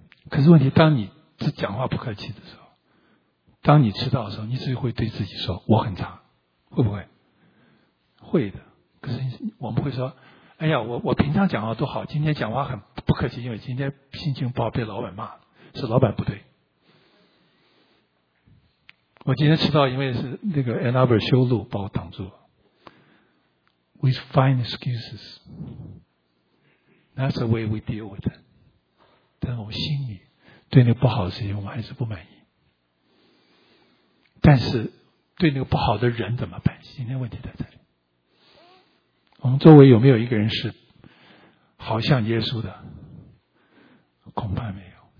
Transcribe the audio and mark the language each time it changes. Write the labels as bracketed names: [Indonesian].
[Chinese] 可是问题，当你只讲话不客气的时候，当你迟到的时候，你只会对自己说我很差，会不会？会的。可是我们会说，哎呀，我平常讲话都好，今天讲话很不客气，因为今天心情不好被老板骂，是老板不对。我今天迟到因为是那个 Ann Arbor 修路把我挡住了。 [English] We find excuses, that's the way we deal with it. [Chinese] 但我心里对那个不好的事情我们还是不满意，但是对那个不好的人怎么办？今天问题在这里，我们周围有没有一个人是好像耶稣的？恐怕没有。